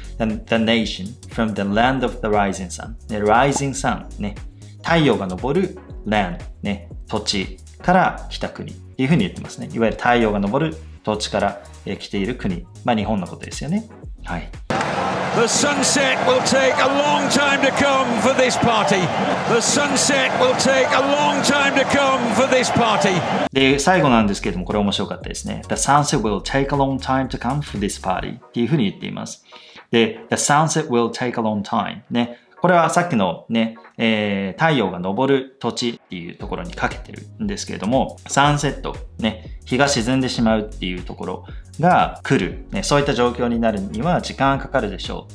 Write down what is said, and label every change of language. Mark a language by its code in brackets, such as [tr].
[en] The nation from the land of the rising sun. ね、rising sun. [ja] ね、太陽が昇る land. ね、土地から来た国。というふうに言ってますね。いわゆる太陽が昇る土地から来ている国。まあ、日本のことですよね。はい。 [en] The sunset will take a long time to come for this party. The sunset will take a long time to come for this party. [ja] で、最後なんですけれども、これ面白かったですね。 [en] The sunset will take a long time to come for this party. [ja] っていうふうに言っています。 [en] で、The sunset will take a long time. ね。 [ja] これはさっきのね、太陽が昇る土地っていうところにかけてるんですけれども、サンセット、ね、日が沈んでしまうっていうところが来る、ね、そういった状況になるには時間かかるでしょう。